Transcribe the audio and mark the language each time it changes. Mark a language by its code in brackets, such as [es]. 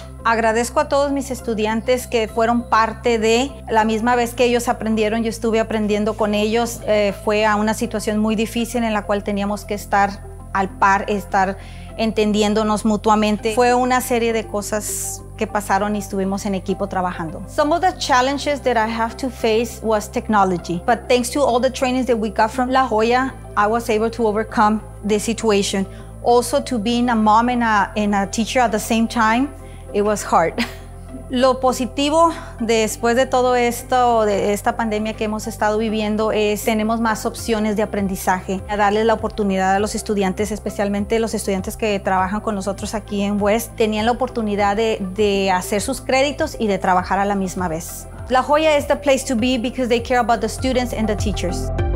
[es] Agradezco a todos mis estudiantes que fueron parte de la misma vez que ellos aprendieron, yo estuve aprendiendo con ellos. Fue a una situación muy difícil en la cual teníamos que estar al par, estar entendiéndonos mutuamente. Fue una serie de cosas que pasaron y estuvimos en equipo trabajando. [en] Some of the challenges that I have to face was technology, but thanks to all the trainings that we got from La Joya, I was able to overcome the situation. Also to being a mom and a teacher at the same time, it was hard. [es] Lo positivo después de todo esto, de esta pandemia que hemos estado viviendo, es tenemos más opciones de aprendizaje. A darles la oportunidad a los estudiantes, especialmente los estudiantes que trabajan con nosotros aquí en West, tenían la oportunidad de hacer sus créditos y de trabajar a la misma vez. [en] La Joya is the place to be because they care about the students and the teachers.